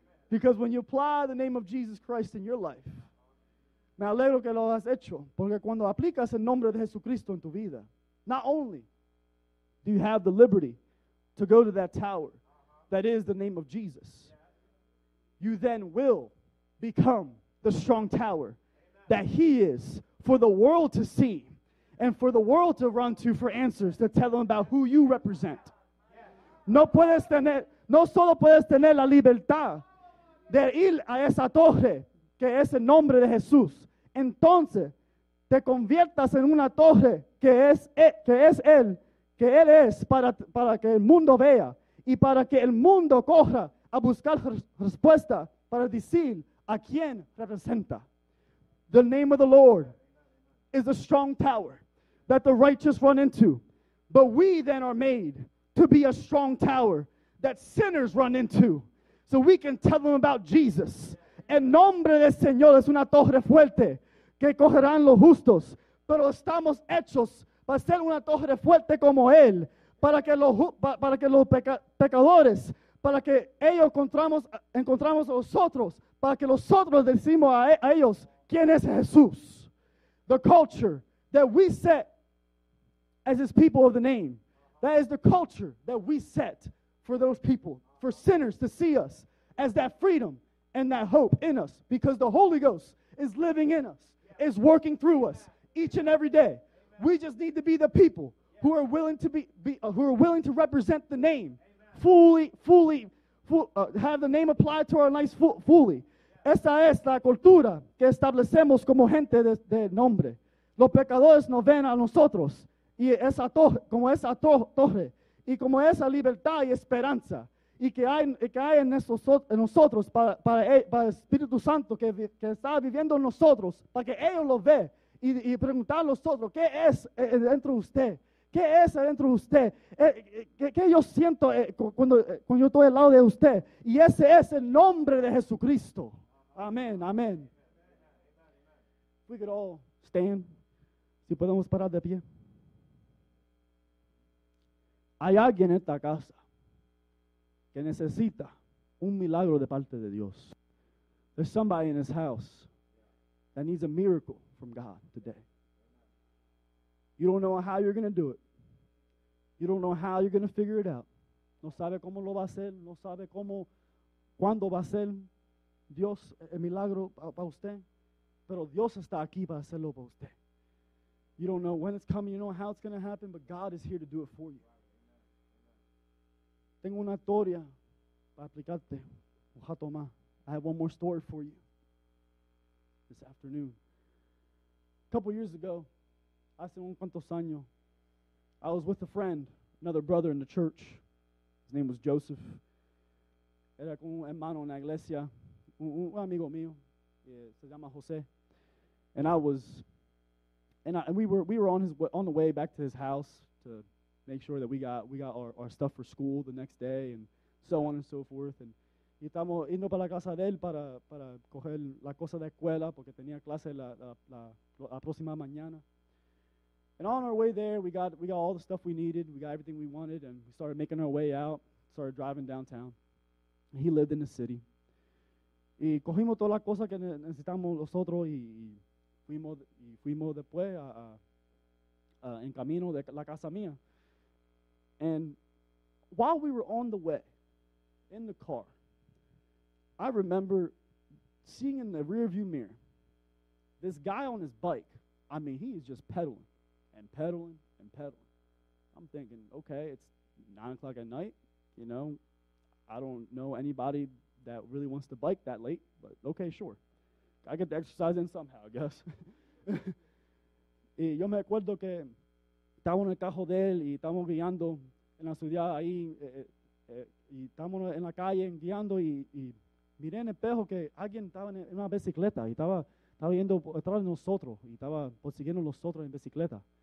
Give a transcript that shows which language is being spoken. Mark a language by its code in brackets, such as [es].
[en] Because when you apply the name of Jesus Christ in your life, [es] me alegro que lo has hecho, porque cuando aplicas el nombre de Jesucristo en tu vida, [en] not only do you have the liberty to go to that tower that is the name of Jesus, you then will become the strong tower that He is for the world to see and for the world to run to for answers to tell them about who you represent. [es] No puedes tener, no solo puedes tener la libertad de ir a esa torre que es el nombre de Jesús, entonces te conviertas en una torre que es Él. Que Él es para que el mundo vea y para que el mundo corra a buscar respuesta para decir a quién representa. [en] The name of the Lord is a strong tower that the righteous run into. But we then are made to be a strong tower that sinners run into. So we can tell them about Jesus. [es] El nombre del Señor es una torre fuerte que correrán los justos, pero estamos hechos para ser una torre fuerte como Él, para que los pecadores, para que ellos encontramos a nosotros, para que nosotros decimos a ellos, ¿quién es Jesús? [en] The culture that we set as His people of the name, that is the culture that we set for those people, for sinners to see us as that freedom and that hope in us, because the Holy Ghost is living in us, is working through us each and every day. We just need to be the people who are willing to be represent the name fully, have the name applied to our lives fully. [es] Esa es la cultura que establecemos como gente de nombre. Los pecadores nos ven a nosotros y esa como esa torre y como esa libertad y esperanza y que hay en nosotros para el Espíritu Santo que está viviendo en nosotros para que ellos lo vean. Y preguntar a los otros, ¿qué es dentro de usted? ¿Qué es dentro de usted? ¿Qué yo siento cuando yo estoy al lado de usted? Y ese es el nombre de Jesucristo. Amén, amén. [en] We could all stand. [es] Si podemos parar de pie. Hay alguien en esta casa que necesita un milagro de parte de Dios. [en] There's somebody in this house that needs a miracle from God today. You don't know how you're going to do it. You don't know how you're going to figure it out. [es] No sabe cómo lo va a hacer. No sabe cómo, cuándo va a ser Dios el milagro para usted. Pero Dios está aquí para hacerlo para usted. [en] You don't know when it's coming. You don't know how it's going to happen. But God is here to do it for you. [es] Tengo una historia para aplicarte. Ojalá más. [en] I have one more story for you this afternoon. A couple years ago, [es] hace un cuantos años, [en] I was with a friend, another brother in the church. His name was Joseph. [es] Era con un hermano en la iglesia, un amigo mío, se llama José. [en] And I was, and we were on the way back to his house to make sure that we got our stuff for school the next day and so on and so forth. And [es] y estamos yendo para la casa de él para coger la cosa de escuela porque tenía clase la próxima mañana. [en] And on our way there, we got all the stuff we needed. We got everything we wanted, and we started making our way out, started driving downtown. And he lived in the city. [es] Y cogimos todas las cosas que necesitamos nosotros y fuimos después en camino de la casa mía. [en] And while we were on the way, in the car, I remember seeing in the rearview mirror this guy on his bike. I mean, he is just pedaling. And pedaling and pedaling. I'm thinking, okay, it's 9 o'clock at night. You know, I don't know anybody that really wants to bike that late, but okay, sure. I get the exercise in somehow, I guess. [es] Y yo me acuerdo que estamos en el carro de él y estamos guiando en la ciudad ahí y estamos en la calle guiando y miré en el espejo que alguien estaba en una bicicleta y estaba yendo atrás de nosotros y estaba persiguiendo nosotros en bicicleta.